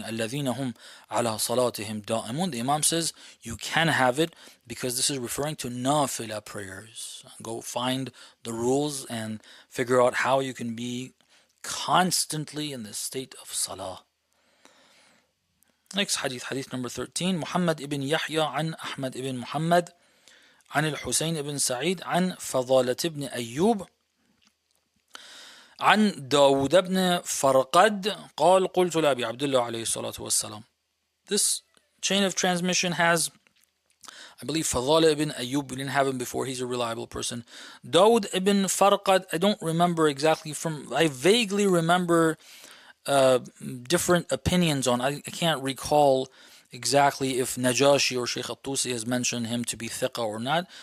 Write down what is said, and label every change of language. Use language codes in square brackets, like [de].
[ar] الَّذِينَ هُمْ عَلَىٰ صَلَاتِهِمْ دَائِمُونَ. [en] The Imam says, you can have it, because this is referring to nafila prayers. Go find the rules and figure out how you can be constantly in the state of salah. Next hadith, hadith number 13. [ar] Muhammad ibn Yahya an Ahmad ibn Muhammad عن الحسين بن سعيد عن فضالة بن أيوب عن داود بن فرقد قال قلت لأبي عبد الله عليه الصلاة والسلام. [en] This chain of transmission has, I believe, فضالة بن أيوب. We didn't have him before. He's a reliable person. داود بن فرقد, I don't remember exactly from, I vaguely remember different opinions on, I can't recall exactly if Najashi or Shaykh al-Tusi has mentioned him to be thiqa or not.